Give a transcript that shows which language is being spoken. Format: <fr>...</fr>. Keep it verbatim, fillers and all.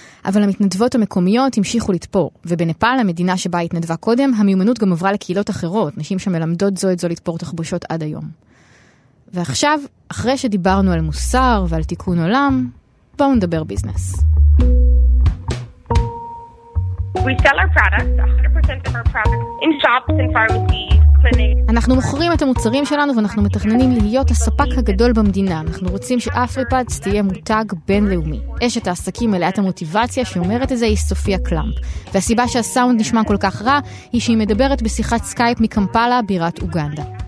<he>אבל המתנדבות המקומיות המשיכו לתפור, ובנפאל, המדינה שבה התנדבה קודם, המיומנות גם עברה לקהילות אחרות, נשים שמלמדות זו את זו לתפור תחבושות עד היום. ועכשיו, אחרי שדיברנו על מוסר ועל תיקון עולם, בואו נדבר ביזנס.</he> <en>We sell our products, one hundred percent of our products, in shops and pharmacies.</en> <he>אנחנו מוכרים את המוצרים שלנו ואנחנו מתכננים להיות הספק הגדול במדינה. אנחנו רוצים שאפריפאדס תהיה מותג בינלאומי. אשת העסקים מלאת המוטיבציה שאומרת את זה היא סופיה קלאמפ. והסיבה שהסאונד נשמע כל כך רע היא שהיא מדברת בשיחת סקייפ מקמפאלה בירת אוגנדה.</he>